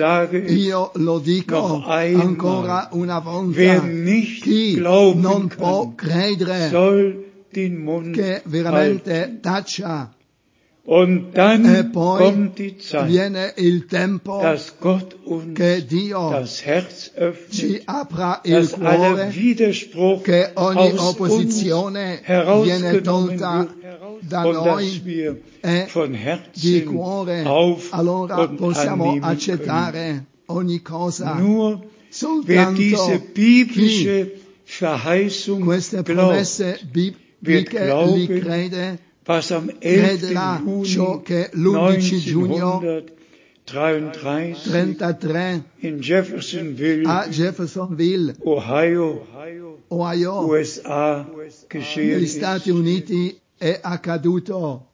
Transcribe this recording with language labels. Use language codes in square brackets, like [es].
[it] Io lo dico ancora una volta, chi non può credere che veramente taccia. [de] Und dann [it] e poi [de] kommt die Zeit, [it] viene il tempo [de] Gott uns [it] che Dio [de] das Herz öffnet, [it] ci apra il cuore, che ogni opposizione viene tolta da noi e di cuore. Allora possiamo accettare ogni cosa. [de] Nur [it] soltanto [de] diese biblische Verheißung [it] queste [de] glaubt, [it] promesse bibliche [de] glauben, [it] li crede, [de] was am 11. [it] Ciò che l'11 giugno 1933 in Jeffersonville, a Jeffersonville, Ohio, USA, negli Stati Uniti è accaduto.